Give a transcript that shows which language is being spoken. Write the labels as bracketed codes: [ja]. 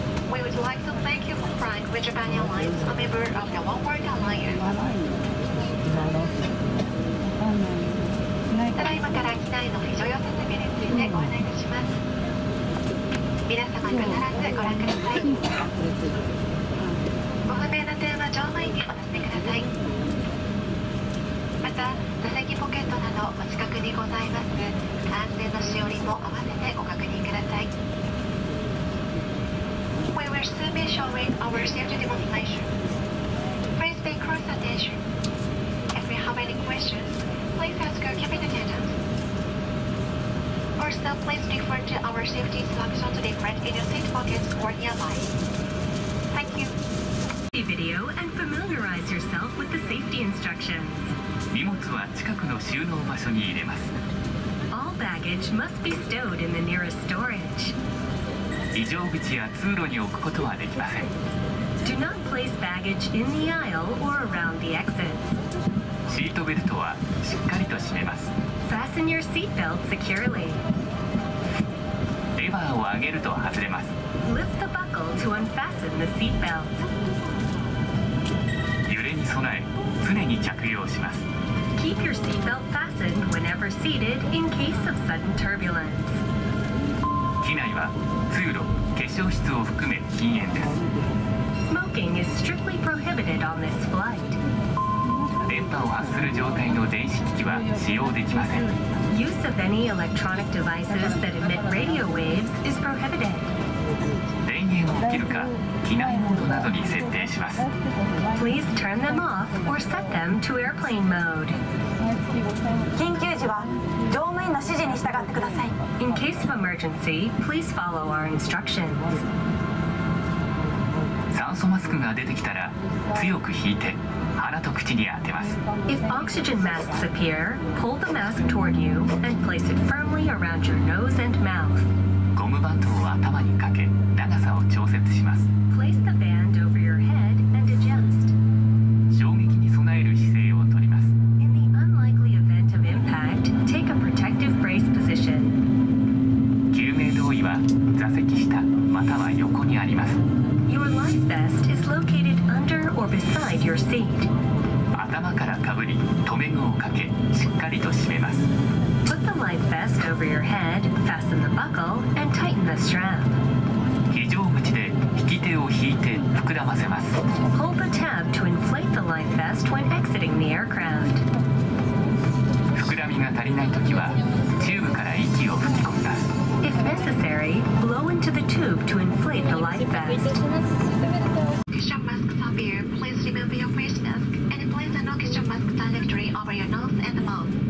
[en] We would like to thank you for flying with Japan Airlines, a member of the One World Alliance. [ja] ただいまから機内の非常用設備についてご案内いたします。皆様必ずご覧ください。ご不明な点は乗務員にお尋ねください。また座席ポケットなどお近くにございます安全のしおりも合わせてご確認ください。 [en] We will soon be showing our safety demonstration. Please pay close attention. If you have any questionsPlease ask your cabin attendant. Also, please refer to our safety instructions different in your seat pockets or nearby. Thank you. See the video and familiarize yourself with the safety instructions. [ja] 荷物は近くの収納場所に入れます。 [en] All baggage must be stowed in the nearest storage. [ja] 異常口や通路に置くことはできません。 [en] Do not place baggage in the aisle or around the exits. [ja] シートベルトはしっかりと締めます。 [en] Fasten your seat belt securely. [ja] レバーを上げると外れます。 [en] Lift the buckle to unfasten the seat belt. [ja] 揺れに備え、常に着用します。 [en] Keep your seat belt fastened whenever seated in case of sudden turbulence. [ja] 機内は通路、化粧室を含め禁煙です。 [en] Smoking is strictly prohibited on this flight. [ja] 電波を発する状態の電子機器は使用できません。 [en] Use of any electronic devices that emit radio waves is prohibited. [ja] 電源を切るか、機内モードなどに設定します。 [en] Please turn them off or set them to airplane mode. [ja] 緊急時は乗務員の指示に従ってください。 [en] In case of emergency, please follow our instructions. [ja] 酸素マスクが出てきたら強く引いて鼻と口に当てます。 [en] If oxygen masks appear, pull the mask toward you and place it firmly around your nose and mouth. [ja] ゴムバンドを頭にかけ長さを調節します。 [en] Place the band over your head and adjust. [ja] 衝撃に備える姿勢をとります。 [en] In the unlikely event of impact, take a protective brace position. [ja] 救命胴衣は座席下または横にあります。 [en] Vest is located under or beside your seat. [ja] 頭からかぶり、留め具をかけ、しっかりと締めます。 [en] Put the life vest over your head, fasten the buckle, and tighten the strap. [ja] 非常口で引き手を引いて膨らませます。 [en] Hold the tab to inflate the life vest when exiting the aircraft. [ja] 膨らみが足りないときは、チューブから息を吹き込みます。 [en] If necessary, blow into to the tube to inflate the life vest. Oxygen masks appear. Please remove your face mask and place an oxygen mask directly over your nose and mouth.